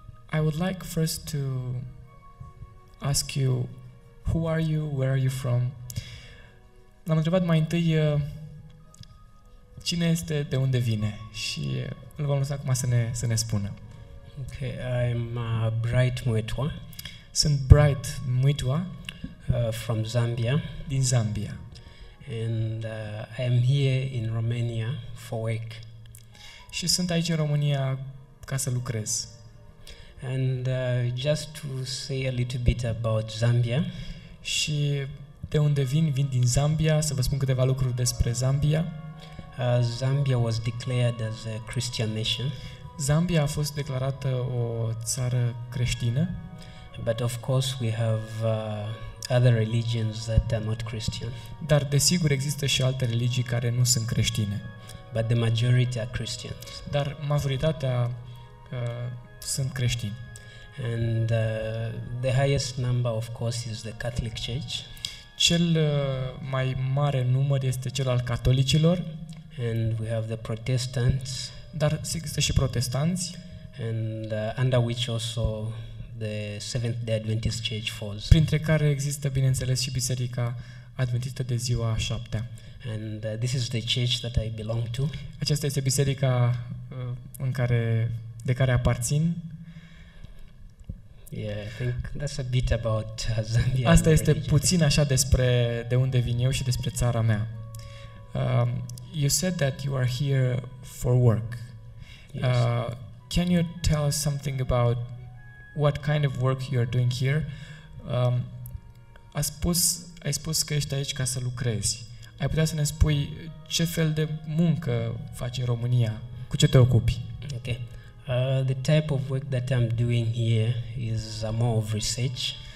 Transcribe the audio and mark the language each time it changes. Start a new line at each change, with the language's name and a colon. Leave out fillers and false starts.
English: I would like first to ask you, who are you, where are you from?
Romanian: L-am întrebat mai întâi cine este, de unde vine, și îl vom lăsa acum să ne spună.
English: Okay, I'm Bright Mwitwa.
Romanian: Sunt Bright Mwitwa.
English: From Zambia.
Romanian: Din Zambia.
English: And I am here in Romania for work.
Romanian: Și sunt aici în România ca să lucrez.
English: And just to say a little bit about Zambia.
Romanian: Și de unde vin din Zambia, să vă spun câteva lucruri despre Zambia.
English: Zambia was declared as a Christian nation.
Romanian: Zambia a fost declarată o țară creștină.
English: But of course we have other religions that are not Christian.
Romanian: Dar desigur există și alte religii care nu sunt creștine.
English: But the majority are Christians.
Romanian: Dar majoritatea sunt creștini.
English: And the highest number of course is the Catholic Church.
Romanian: Cel mai mare număr este cel al catolicilor.
English: And we have the Protestants.
Romanian: Dar există și protestanți.
English: And under which also the Seventh-day Adventist Church falls.
Romanian: Printre care există, bineînțeles, și Biserica Adventistă de ziua a șaptea.
English: And this is the church that I belong to.
Romanian: Aceasta este biserica în care de care aparțin.
English: Yeah, I think that's a bit about Zambia.
Romanian: Asta este puțin așa despre de unde vin eu și despre țara mea.
English: You said that you are here for work. Yes. Can you tell us something about what kind of work you are doing here?
Romanian: Ai spus că ești aici ca să lucrezi. Ai putea să ne spui ce fel de muncă faci în România? Cu ce te ocupi?
English: Okay. The type of work that I'm doing here is more of research.